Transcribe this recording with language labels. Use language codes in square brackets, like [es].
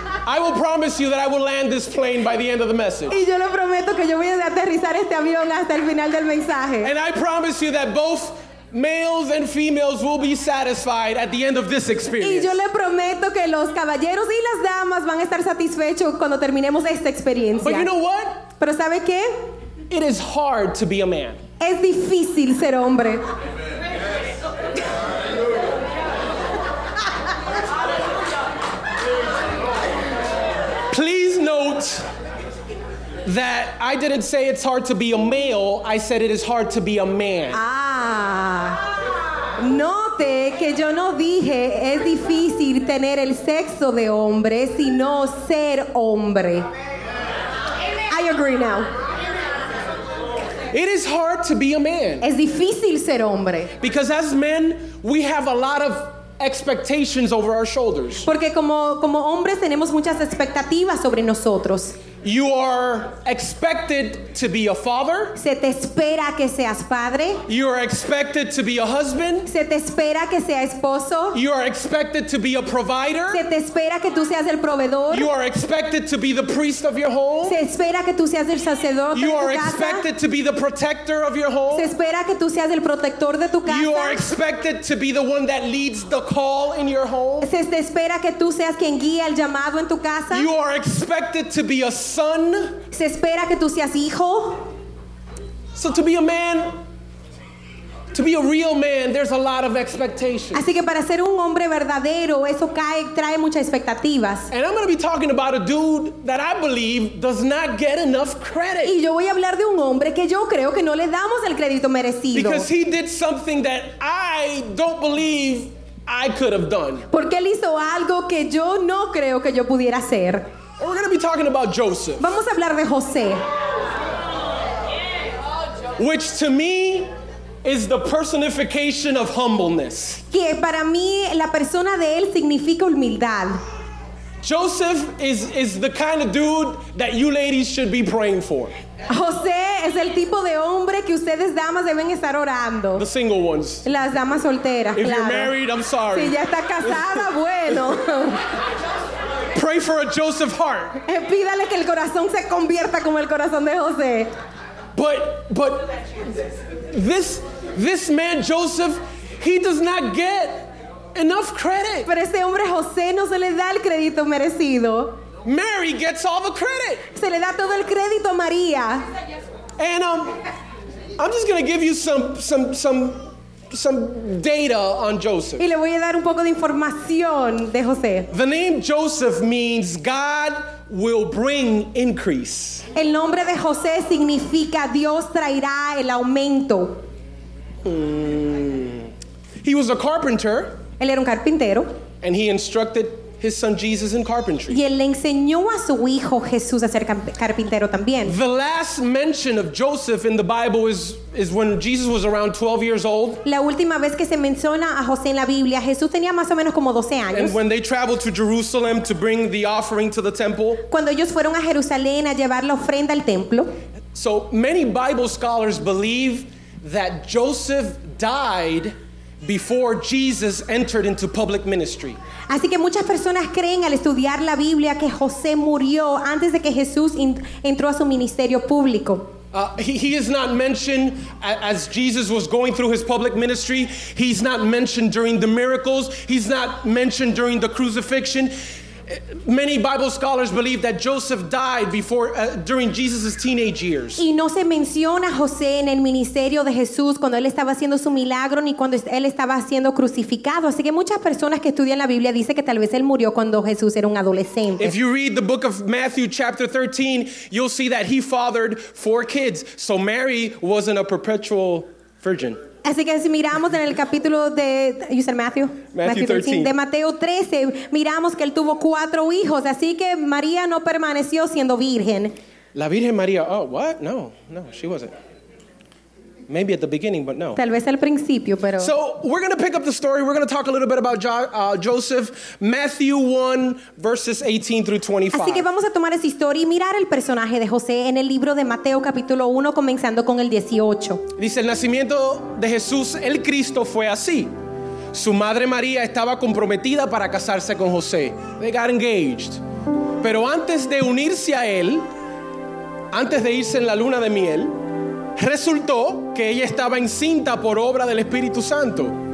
[en] I will promise you that I will land this plane by the end of the message. [es] Y yo le prometo que yo voy a aterrizar este avión hasta el final del mensaje. [en] And I promise you that both males and females will be satisfied at the end of this experience. [es] Y yo le prometo que los caballeros y las damas van a estar satisfechos cuando terminemos esta experiencia. [en] But you know what? [es] Pero ¿sabe qué? [en] It is hard to be a man. [es] Es difícil ser hombre. [en] Please note that I didn't say it's hard to be a male. I said it is hard to be a man. Ah. [es] Note que yo no dije es difícil tener el sexo de hombre, sino ser hombre. [en] I agree now. It is hard to be a man. [es] Es difícil ser hombre. [en] Because as men, we have a lot of expectations over our shoulders. [es] Porque como hombres tenemos muchas expectativas sobre nosotros. [en] You are expected to be a father. [es] Se te espera que seas padre. [en] You are expected to be a husband. [es] Se te espera que sea esposo. [en] You are expected to be a provider. [es] Se te espera que tú seas el proveedor. [en] You are expected to be the priest of your home. [es] Se espera que tú seas el sacerdote de tu casa. [en] You are expected to be the protector of your home. [es] Se espera que tú seas el protector de tu casa. [en] You are expected to be the one that leads the call in your home. [es] Se te espera que tú seas quien guía el llamado en tu casa. [en] You are expected to be a son. [es] Se espera que tú seas hijo. [en] So to be a man, to be a real man, there's a lot of expectations. [es] Así que para ser un hombre verdadero, eso trae muchas expectativas. [en] And I'm going to be talking about a dude that I believe does not get enough credit. [es] Y yo voy a hablar de un hombre que yo creo que no le damos el crédito merecido. [en] Because he did something that I don't believe I could have done. [es] Porque él hizo algo que yo no creo que yo pudiera hacer. [en] And we're going to be talking about Joseph. [es] Vamos a hablar de José. [en] Which to me is the personification of humbleness. [es] Que para mí la persona de él significa humildad. [en] Joseph is the kind of dude that you ladies should be praying for. [es] José es el tipo de hombre que ustedes damas deben estar orando. [en] The single ones. [es] Las damas solteras. [en] If You're married, I'm sorry. [es] Si ya está casada, bueno. [en] Pray for a Joseph heart. [es] Pídale que el corazón se convierta como el corazón de José. [en] But this man Joseph, he does not get enough credit. [es] Pero este hombre José no se le da el crédito merecido. [en] Mary gets all the credit. [es] Se le da todo el crédito a María. [en] And I'm just going to give you some data on Joseph. [es] Y le voy a dar un poco de información de José. [en] The name Joseph means God will bring increase. [es] El nombre de José significa Dios traerá el aumento. [en] He was a carpenter. [es] Él era un carpintero. [en] And he instructed his son Jesus in carpentry. [es] Y él le enseñó a su hijo Jesús a ser carpintero también. [en] The last mention of Joseph in the Bible is when Jesus was around 12 years old. [es] La última vez que se menciona a José en la Biblia, Jesús tenía más o menos como 12 años. [en] And when they traveled to Jerusalem to bring the offering to the temple. [es] Cuando ellos fueron a Jerusalén a llevar la ofrenda al templo. [en] So many Bible scholars believe that Joseph died before Jesus entered into public ministry. [es] Así que muchas personas creen al estudiar la Biblia que José murió antes de que Jesús entró a su ministerio público. [en] He is not mentioned as Jesus was going through his public ministry. He's not mentioned during the miracles. He's not mentioned during the crucifixion. Many Bible scholars believe that Joseph died during Jesus' teenage years. [es] Y no se menciona José en el ministerio de Jesús cuando él estaba haciendo su milagro ni cuando él estaba siendo crucificado. Así que muchas personas que estudian la Biblia dicen que tal vez él murió cuando Jesús era un adolescente. [en] If you read the book of Matthew chapter 13, you'll see that he fathered 4 kids. So Mary wasn't a perpetual virgin. [es] Así que si miramos en el capítulo de [en] you said Matthew? Matthew 13. [es] De Mateo 13, miramos que él tuvo 4 hijos, así que María no permaneció siendo virgen. La Virgen María, [en] oh, what? No, she wasn't. Maybe at the beginning, but no. [es] Tal vez al principio, pero... [en] So we're going to pick up the story. We're going to talk a little bit about Joseph. Matthew 1, verses 18 through 25. [es] Así que vamos a tomar esa historia y mirar el personaje de José en el libro de Mateo, capítulo 1, comenzando con el 18. Dice, el nacimiento de Jesús, el Cristo, fue así. Su madre María estaba comprometida para casarse con José. [en] They got engaged. [es] Pero antes de unirse a él, antes de irse en la luna de miel, resultó que ella estaba encinta por obra del Espíritu Santo.